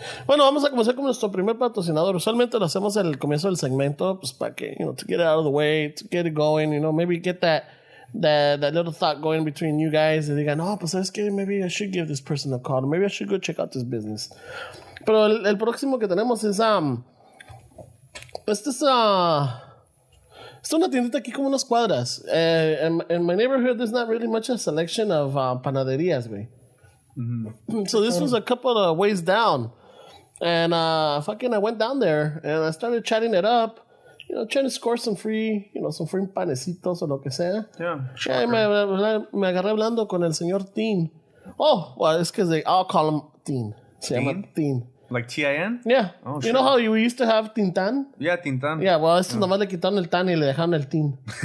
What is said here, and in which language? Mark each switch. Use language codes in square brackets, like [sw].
[es] Bueno, vamos a comenzar con nuestro primer patrocinador. Usualmente lo hacemos en el comienzo del segmento, pues para que, [en] you know, to get it out of the way, to get it going, you know, maybe get that little thought going between you guys, and they go, [es] no, pues sabes que [en] maybe I should give this person a call, maybe I should go check out this business. [es] Pero el próximo que tenemos es es una tiendita aquí como unas cuadras. [en] In my neighborhood, there's not really much a selection of panaderías, güey. Mm-hmm. So this was a couple of ways down, and I went down there and I started chatting it up. You know, trying to score some free, you know, some free panecitos or [es] lo que sea. [en] Yeah, sure. [es] Yeah, me agarré hablando con el señor Teen. [en] Oh, well, it's because I'll call him Teen. [es] Se llama Teen. [en] Like T-I-N? Yeah. Oh, you know how we used to have Tintan? Yeah, Tintan. [es] Yeah, well, esto nomás le quitaron el tan y le dejaron el Teen.